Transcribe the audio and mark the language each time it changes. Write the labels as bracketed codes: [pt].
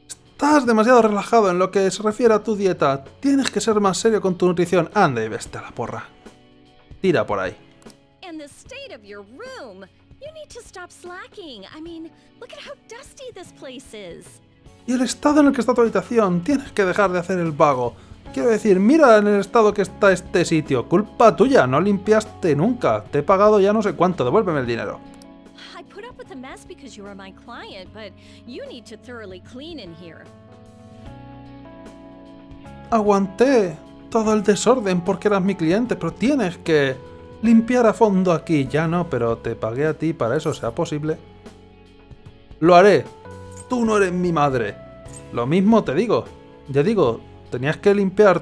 [es] Estás demasiado relajado en lo que se refiere a tu dieta. Tienes que ser más serio con tu nutrición. Anda y veste a la porra. Tira por ahí. [en] and the state of your room! You need to stop slacking. I mean, look at how dusty this place is. [es] Y el estado en el que está tu habitación. Tienes que dejar de hacer el vago. Quiero decir, mira en el estado que está este sitio. Culpa tuya, no limpiaste nunca. Te he pagado ya no sé cuánto, devuélveme el dinero. [en] I put up with the mess because you are my client, but you need to thoroughly clean in here. [es] Aguanté todo el desorden porque eras mi cliente, pero tienes que limpiar a fondo aquí. Ya no, pero te pagué a ti para eso sea posible. Lo haré. Tú no eres mi madre. Lo mismo te digo. Ya digo, tenías que limpiar.